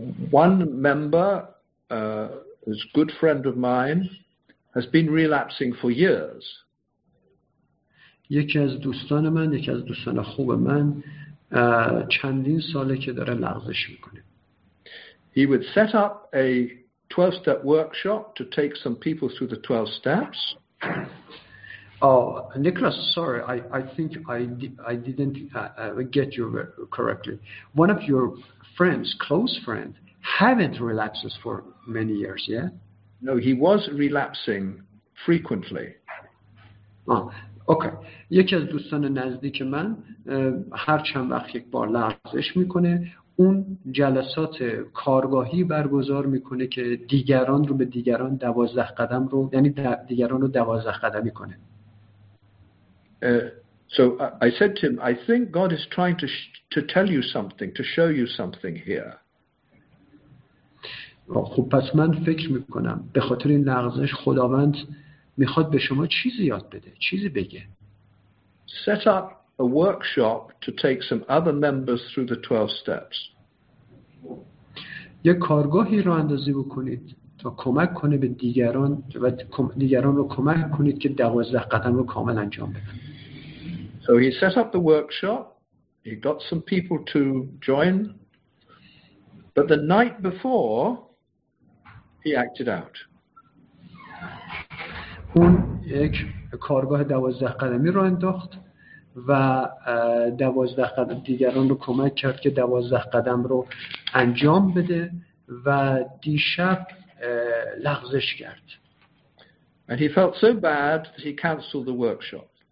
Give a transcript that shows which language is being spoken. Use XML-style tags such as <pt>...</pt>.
<en>One member, this good friend of mine, has been relapsing for years.</en> <fa>یکی از دوستان من، یکی از دوستان خوب من چندین ساله که داره لغزش میکنه.</fa> <en>He would set up a 12-step workshop to take some people through the 12 steps. Oh, Nicholas, sorry, I didn't get you correctly. One of your friends, close friend, haven't relapsed for many years, yeah? No, he was relapsing frequently. Oh, okay.</en> <fa>یکی از دوستان نزدیک من هر چند وقت یک بار لغزش میکنه، اون جلسات کارگاهی برگزار میکنه که دیگران رو به دیگران 12 قدم رو، یعنی دیگران رو 12 قدمی کنه.</fa> <en>I said to him, I think God is trying to tell you something, to show you something here.</en> <fa>خب پس من فکر میکنم به خاطر این لغزش خداوند میخواد به شما چیزی یاد بده، چیزی بگه.</fa> <en>Set up a workshop to take some other members through the 12 steps.</en> <fa>یک کارگاهی را اندازی بکنید تا کمک کنه به دیگران و دیگران رو کمک کنید که 12 قدم رو کامل انجام بدن.</fa> <en>So he set up the workshop. He got some people to join. But the night before, he acted out.</en> <fa>اون یک کارگاه 12 قدمی رو انداخت و 12 قدم دیگران رو کمک کرد که 12 قدم رو انجام بده و دیشب لغزش کرد.</fa> <en>And he felt so bad that he cancelled the workshop.</en>